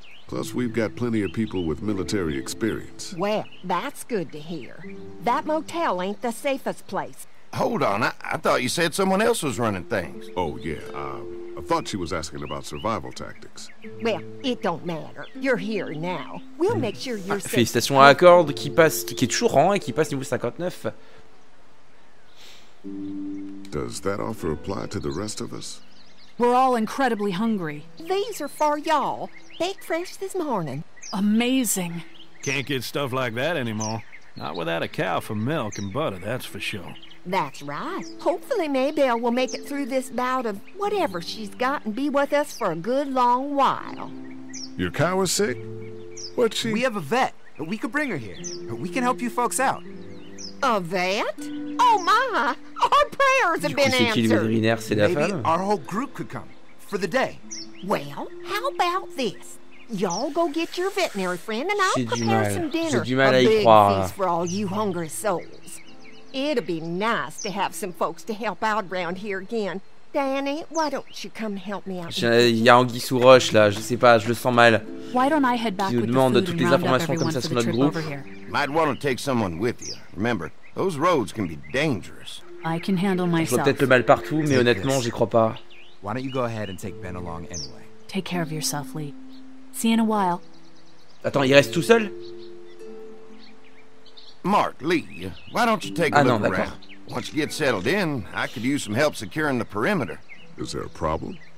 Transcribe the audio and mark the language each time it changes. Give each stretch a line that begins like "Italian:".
English: Plus, we've got plenty of people with military experience. Well, that's good to hear. That motel ain't the safest place. Hold on, I thought you said someone else was running things. Oh, yeah, I thought she was asking about survival tactics. Well, it don't matter. You're here now. We'll make sure you're safe.
French: Félicitations à Accord qui est toujours rang et qui passe niveau 59.
English: Does that offer apply to the rest of us? We're all incredibly hungry. These are for y'all. Baked fresh this morning. Amazing. Can't get stuff like that anymore. Not without a cow for milk and butter, that's for sure. That's right. Hopefully Maybelle will make it through this bout of whatever she's got and be with us for a good long while. Your cow is sick? What's she... We have a vet, but we could bring her here. We can help you folks out. A vet? Oh my! Our prayers have been answered! Maybe our whole group could come, for the day. Well, how about this? Y'all go get your veterinary friend and I'll prepare some dinner.
French: J'ai du mal à y croire.
English: For all you hungry souls. It'll be nice to have some folks to help out around here again. Danny, why don't you come help me out?
French: Y'a Anguille sous roche là, je sais pas, je le sens mal.
English: Why don't I head back with the food
French: toutes les informations comme ça sur notre groupe.
English: Might want to take someone with you. Remember, those roads can be dangerous. I can handle myself.
French: Je vois peut-être le mal partout, mais honnêtement, j'y crois pas.
English: Why don't you go ahead and take Ben along anyway? Take care of yourself, Lee. See you in a while.
French: Attends, il reste tout seul?
English: Mark, Lee, why don't you take a look around? Once you get settled in, I could use some help securing the perimeter. Is there a problem?